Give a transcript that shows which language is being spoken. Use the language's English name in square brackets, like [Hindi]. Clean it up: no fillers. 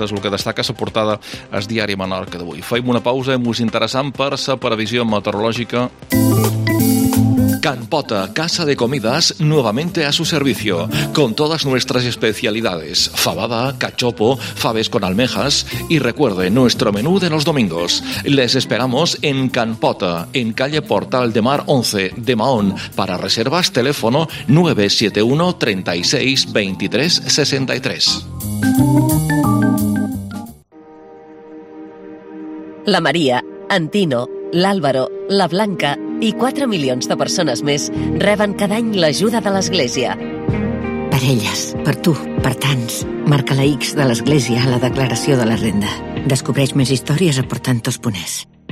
[Catalan] És el que destaca la portada al diari Menorca d'avui. Fem una pausa i molt interessant per la previsió meteorològica. [Spanish] Can Pota, casa de comidas, nuevamente a su servicio, con todas nuestras especialidades, fabada, cachopo, faves con almejas, y recuerde nuestro menú de los domingos. Les esperamos en Can Pota, en calle Portal de Mar 11, de Mahón, para reservas, teléfono 971-36-2363. [Catalan] La María, Antino, l'Àlvaro, la Blanca i 4 milions de persones més reben cada any l'ajuda de l'Església. Per elles, per tu, per tants. Marca la X de l'Església a la declaració de la renda. Descobreix més històries a portantos.es.